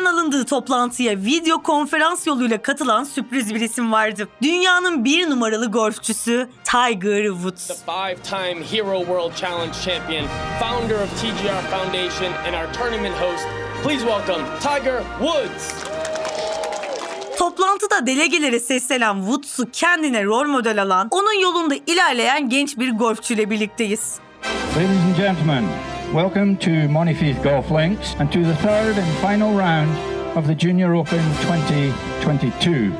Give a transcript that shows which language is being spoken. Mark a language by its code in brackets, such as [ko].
[tr] Alındığı toplantıya video konferans yoluyla katılan sürpriz bir isim vardı. Dünyanın bir numaralı golfçüsü Tiger Woods. [en] The five-time Hero World Challenge champion, founder of TGR Foundation and our tournament host, please welcome Tiger Woods. [tr] Toplantıda delegelere seslenen Woods'u kendine rol model alan, onun yolunda ilerleyen genç bir golfçüyle birlikteyiz. [en] Ladies and gentlemen, welcome to Monifieth Golf Links and to the third and final round of the Junior Open 2022.